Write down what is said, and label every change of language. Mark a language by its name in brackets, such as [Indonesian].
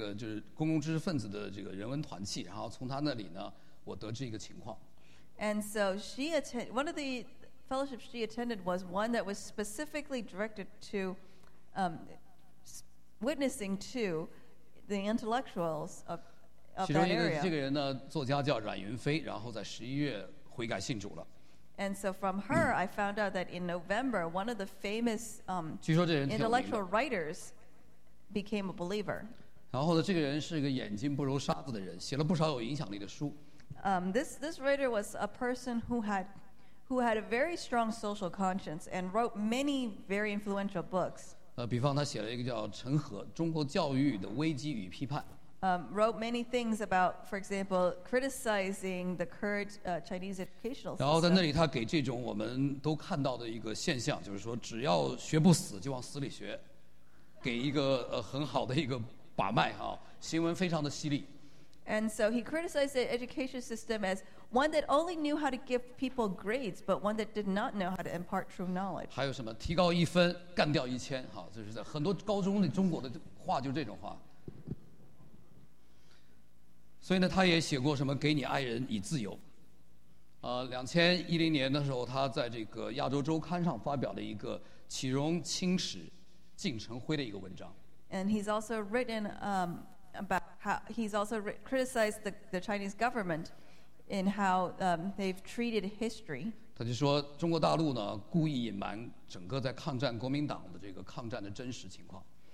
[Chinese] 有一次她参加一个文人这个就是公共知识分子的这个人文团契， 然后从她那里呢， 我得知一个情况。 [English] And so she attended, one of the fellowships she attended was one that was specifically directed to witnessing to the intellectuals of that area. [Chinese] 其中一个这个人呢， 作家叫阮云飞， 然后在11月悔改信主了。 [English] And so from her, I found out that in November, one of the famous intellectual writers became a believer. [Chinese] 然后呢，这个人是一个眼睛不揉沙子的人， 写了不少有影响力的书。 [English] This writer was a person who had a very strong social conscience and wrote many very influential books. [Chinese] 比方他写了一个叫《陈和：中国教育的危机与批判》。 [English] Wrote many things about, for example, criticizing the current Chinese educational system. [Chinese] 然后在那里他给这种我们都看到的一个现象， 就是说只要学不死就往死里学， 给一个很好的一个把脉啊， 新闻非常的犀利。 [English] And so he criticized the education system as one that only knew how to give people grades, but one that did not know how to impart true knowledge. [Chinese] 还有什么提高一分干掉一千， 就是在很多高中的中国的话就这种话。所以呢，他也写过什么《给你爱人以自由》。 2010年的时候， 他在这个亚洲周刊上发表了一个《岂容青史竟成灰》的一个文章。 [English] And he's also written about how he's also criticized the Chinese government in how they've treated history. [Chinese] 他就说中国大陆呢， 故意隐瞒整个在抗战国民党的这个抗战的真实情况。